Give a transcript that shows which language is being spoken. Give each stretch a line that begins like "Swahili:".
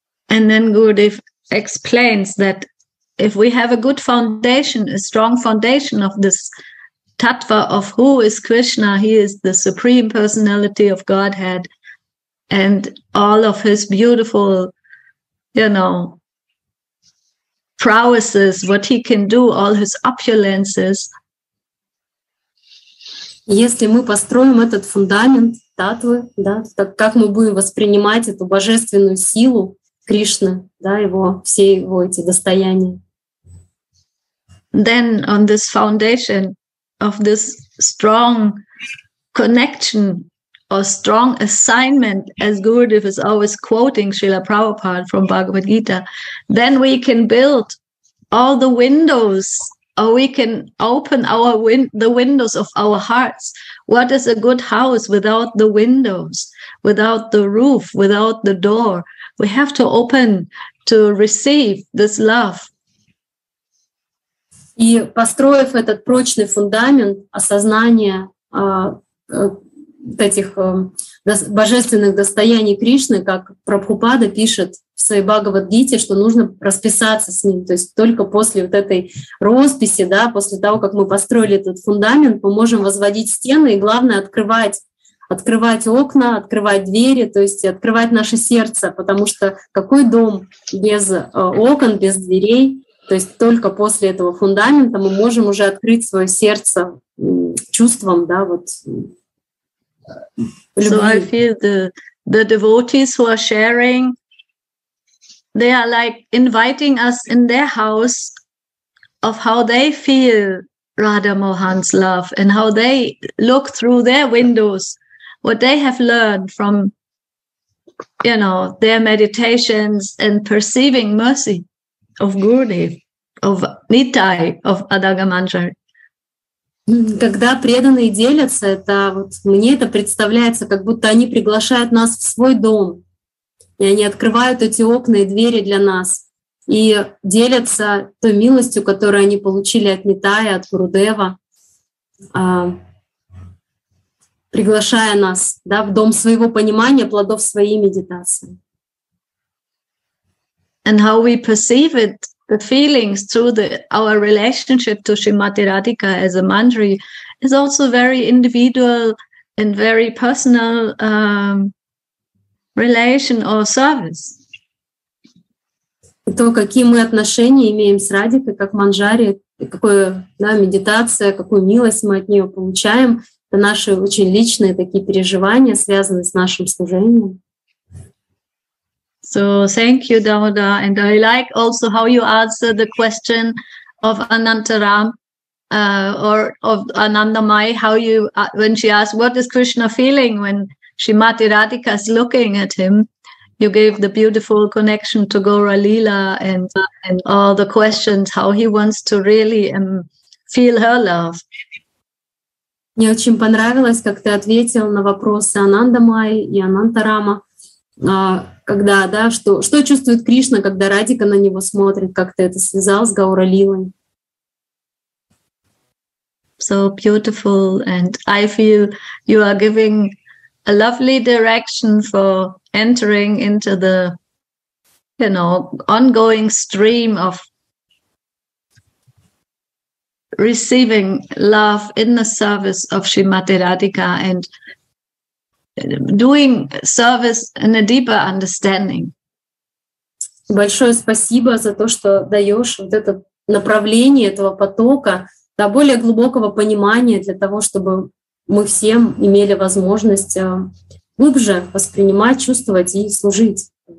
English: And then Gurudev explains that if we have a good foundation, a strong foundation of this tattva of who is Krishna, he is the Supreme Personality of Godhead, and all of his beautiful, you know, prowesses, what he can do, all his opulences.
Russian: Если мы построим этот фундамент таттвы, да, так как мы будем воспринимать эту божественную силу Кришны, да, его, все его эти достояния.
English: Then on this foundation of this strong connection or strong assignment, as Gurudev is always quoting Srila Prabhupada from Bhagavad Gita, then we can build all the windows, or we can open our the windows of our hearts. What is a good house without the windows, without the roof, without the door? We have to open to receive this love.
Russian: И построив этот прочный фундамент осознания этих божественных достояний Кришны, как Прабхупада пишет в своей Бхагавад-гите, что нужно расписаться с ним. То есть только после вот этой росписи, да, после того, как мы построили этот фундамент, мы можем возводить стены и, главное, открывать окна, открывать двери, то есть открывать наше сердце, потому что какой дом без окон, без дверей? То есть только после этого фундамента мы можем уже открыть свое сердце чувством, да, вот.
English: So I feel the devotees who are sharing, they are like inviting us in their house of how they feel Radha Mohan's love and how they look through their windows, what they have learned from, you know, their meditations and perceiving mercy of Gurudev. Of Nitai, of Adagamanjari.
Russian: Когда преданные делятся, это вот мне это представляется, как будто они приглашают нас в свой дом, и они открывают эти окна и двери для нас, и делятся той милостью, которую они получили от Нитая, от Гурудева, приглашая нас, да, в дом своего понимания, плодов своей медитации.
English: And how we perceive it. The feelings through our relationship to Srimati Radhika as a mandri is also very individual and very personal relation or service.
Russian: То, какие мы отношения имеем с Радикой как манджари, какую, да, медитация, какую милость мы от нее получаем, это наши очень личные такие переживания, связанные с нашим служением.
English: So thank you, Damodar. And I like also how you answer the question of Anantaram or of Anandamai, how you, when she asked, what is Krishna feeling when Srimati Radhika is looking at him? You gave the beautiful connection to Gaura Leela and all the questions, how he wants to really feel her love.
Russian: Мне очень понравилось, как ты ответил на вопросы Анандамай и Анантарама. Когда, да, что чувствует Кришна, когда Радика на него смотрит, как ты это связал с Гаура Лилой?
English: So beautiful, and I feel you are giving a lovely direction for entering into the, you know, ongoing stream of receiving love in the service of Srimati Radhika and doing service in a deeper understanding.
Russian: Большое спасибо за то, что даешь вот это направление этого потока до более глубокого понимания для того, чтобы мы всем имели возможность глубже воспринимать, чувствовать и служить.